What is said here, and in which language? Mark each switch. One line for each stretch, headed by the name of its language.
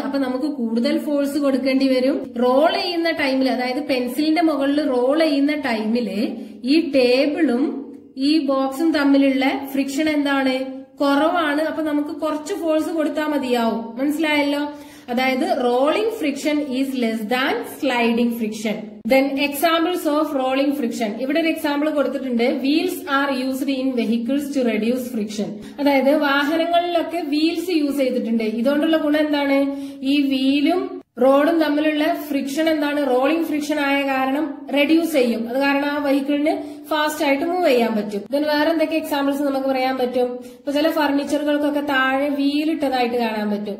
Malayalam: അപ്പൊ നമുക്ക് കൂടുതൽ ഫോഴ്സ് കൊടുക്കേണ്ടി വരും. റോൾ ചെയ്യുന്ന ടൈമിൽ, അതായത് പെൻസിലിന്റെ മുകളിൽ റോൾ ചെയ്യുന്ന ടൈമില് ഈ ടേബിളും ഈ ബോക്സും തമ്മിലുള്ള ഫ്രിക്ഷൻ എന്താണ്? കുറവാണ്. അപ്പൊ നമുക്ക് കുറച്ച് ഫോഴ്സ് കൊടുത്താൽ മതിയാവും. മനസ്സിലായല്ലോ. അതായത്
English: Rolling friction is less than sliding friction. Then examples of rolling friction.
Malayalam: ഇവിടെ ഒരു example കൊടുത്തിട്ടുണ്ട്.
English: Wheels are used in vehicles to reduce friction.
Malayalam: അതായത് വാഹനങ്ങളിലൊക്കെ വീൽസ് യൂസ് ചെയ്തിട്ടുണ്ട്. ഇതുകൊണ്ടുള്ള ഗുണം എന്താണ്? ഈ വീലും റോഡും തമ്മിലുള്ള ഫ്രിക്ഷൻ എന്താണ്? റോളിംഗ് ഫ്രിക്ഷൻ ആയ കാരണം റെഡ്യൂസ് ചെയ്യും. അത് കാരണം ആ വെഹിക്കിളിന് ഫാസ്റ്റ് ആയിട്ട് മൂവ് ചെയ്യാൻ പറ്റും. ഇതിന് വേറെ എന്തൊക്കെ എക്സാമ്പിൾസ് നമുക്ക് പറയാൻ പറ്റും? ഇപ്പൊ ചില ഫർണിച്ചറുകൾക്കൊക്കെ താഴെ വീലിട്ടതായിട്ട് കാണാൻ പറ്റും.